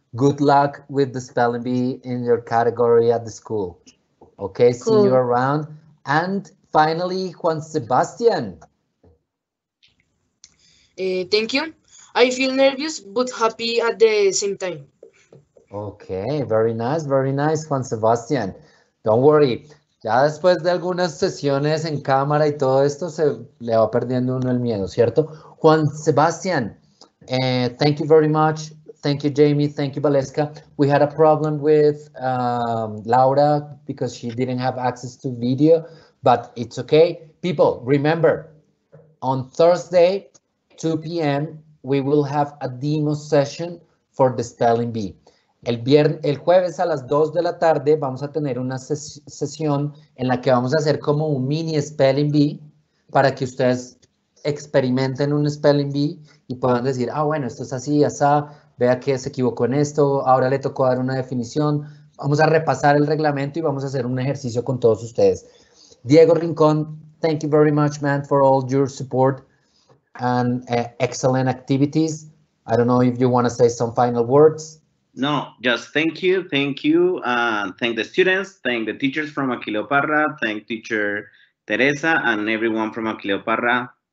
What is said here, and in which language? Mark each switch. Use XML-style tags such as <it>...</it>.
<en>Good luck with the spelling bee in your category at the school. Okay, cool. See you around. And finally, Juan Sebastian. Thank you. I feel nervous but happy at the same time. Okay, very nice, Juan Sebastian. Don't worry.</en> <es>Ya después de algunas sesiones en cámara y todo esto, se le va perdiendo uno el miedo, ¿cierto?</es> <en>Juan Sebastian, thank you very much. Thank you, Jamie. Thank you, Valeska. We had a problem with Laura because she didn't have access to video, but it's okay. People, remember, on Thursday, 2 p.m., we will have a demo session for the Spelling Bee.</en> <es>El jueves a las 2 de la tarde vamos a tener una sesión en la que vamos a hacer como un mini Spelling Bee para que ustedes experimenten un Spelling Bee y puedan decir, ah, bueno, esto es así, asá, vea que se equivocó en esto, ahora le tocó dar una definición. Vamos a repasar el reglamento y vamos a hacer un ejercicio con todos ustedes.</es> <en>Diego Rincón, thank you very much, man, for all your support and excellent activities. I don't know if you want to say some final words. No, just thank you. Thank you. Thank the students. Thank the teachers from Aquileo Parra. Thank teacher Teresa and everyone from Aquileo Parra.</en>